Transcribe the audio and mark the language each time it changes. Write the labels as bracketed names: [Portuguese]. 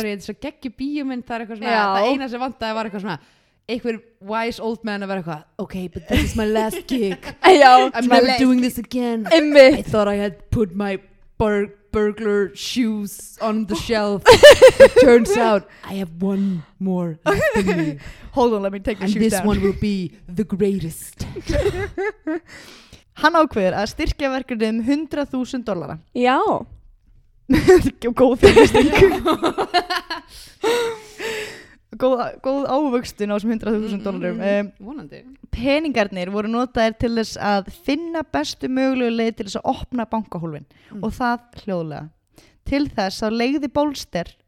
[English] Sorry, [Icelandic] þetta er svo geggjum bíómynd, það er eitthvað svona, það eina sem vantaði var eitthvað svona einhver wise old man að vera eitthvað [English] ok, but this is my last gig I'm never doing this again I thought I had put my burglar shoes on the shelf turns out I have one more hold on, let me take the shoes down and this one will be the greatest [Icelandic] hann ákveður að styrkja verkefnið $100,000 já góð fyrirsting Góð ávöxtun á þessum $100,000 vonandi. Peningarnir voru notaðir til þess að finna bestu mögulegu leið til þess að opna bankahólfin mm. og það hljóðlega. Til þess að leigði bólster